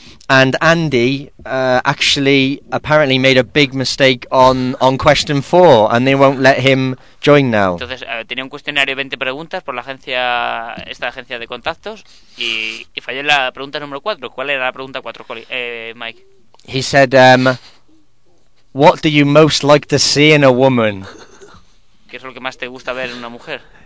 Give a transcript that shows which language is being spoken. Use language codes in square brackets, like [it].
[en] And Andy actually apparently made a big mistake on question 4, and they won't let him join now. [es] Entonces, tenía un cuestionario de 20 preguntas por la agencia, esta agencia de contactos, y fallé en la pregunta número 4. ¿Cuál era la pregunta 4, Mike? [en] He said, what do you most like to see in a woman? [es] ¿Qué es lo que más te gusta ver en una mujer?